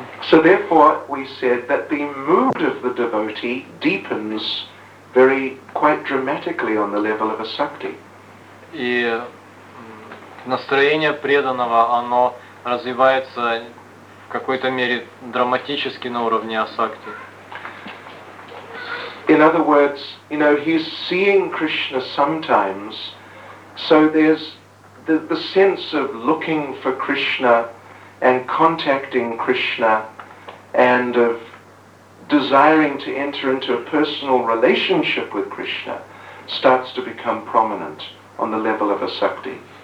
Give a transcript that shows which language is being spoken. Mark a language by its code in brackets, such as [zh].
[en] So therefore, we said that the mood of the devotee deepens very, quite dramatically on the level of a sakti. [ru] И настроение преданного, оно развивается в какой-то мере драматически на уровне асакти. [en] In other words, you know, he's seeing Krishna sometimes, so there's the sense of looking for Krishna and contacting Krishna and of desiring to enter into a personal relationship with Krishna starts to become prominent on the level of asakti.